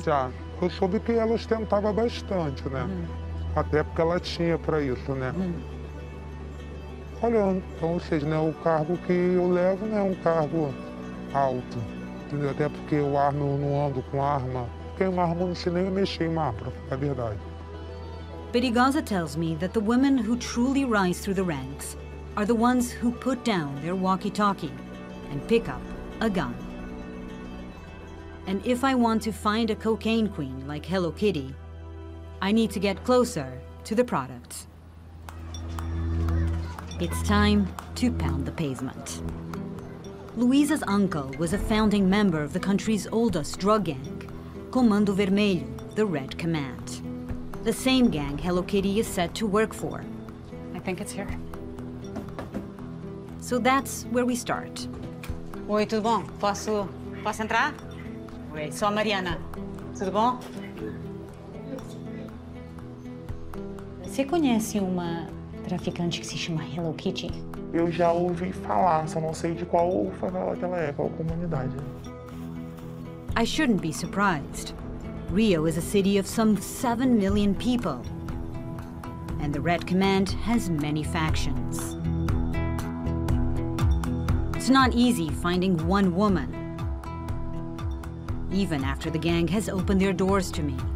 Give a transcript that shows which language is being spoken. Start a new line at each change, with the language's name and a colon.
Portuguese: Já. Eu soube que ela ostentava bastante, né? Até porque ela tinha para isso, né? Olha, então, ou seja, né, o cargo que eu levo não é um cargo alto, entendeu? Até porque eu não ando com arma. Queimar arma, não sei nem mexer em arma, é verdade.
English: Perigosa tells me that the women who truly rise through the ranks are the ones who put down their walkie-talkie and pick up a gun. And if I want to find a cocaine queen like Hello Kitty, I need to get closer to the product. It's time to pound the pavement. Luisa's uncle was a founding member of the country's oldest drug gang, Comando Vermelho, the Red Command. The same gang Hello Kitty is said to work for. I think it's here. So that's where we start.
Portuguese: Oi, tudo bom? Posso entrar? Oi, sou a Mariana. Tudo bom? Você conhece uma traficante que se chama Hello Kitty? Eu já ouvi falar, só não sei de qual favela que ela é, qual comunidade.
English: I shouldn't be surprised. Rio is a city of some 7 million people. And the Red Command has many factions. It's not easy finding one woman, even after the gang has opened their doors to me.